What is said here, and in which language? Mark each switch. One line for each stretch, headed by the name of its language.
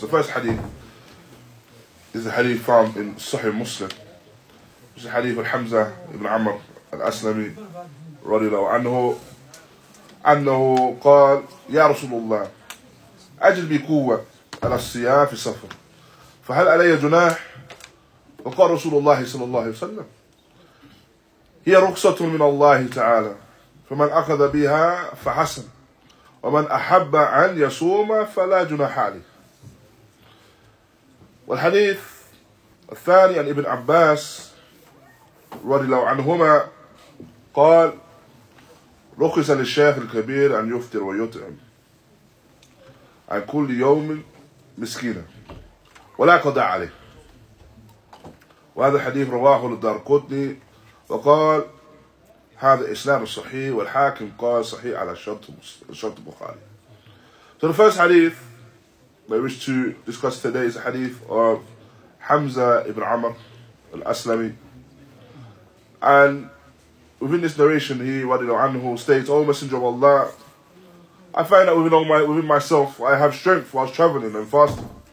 English: The first hadith is a hadith found in Sahih Muslim. It's a hadith of Hamza ibn Amr al-Aslami
Arabic: رضي الله عنه أنه قال يا رسول الله أجل بي قوة على الصيام في السفر فهل علي جناح؟ وقال رسول الله صلى الله عليه وسلم هي رخصة من الله تعالى فمن أخذ بها فحسن ومن أحب أن يصوم فلا جناح عليه. والحديث الثاني عن ابن عباس رضي الله عنهما قال رخص للشيخ الكبير أن يفطر ويطعم عن كل يوم مسكينا ولا قضاء عليه. وهذا الحديث رواه الدارقطني وقال هذا إسلام الصحيح، والحاكم قال صحيح على شرط البخاري.
English: So the first hadith that we wish to discuss today is a hadith of Hamza ibn Amr al-Aslami. And within this narration, he radiallahu anhu states, O Messenger of Allah, I find that within myself I have strength whilst travelling and fasting.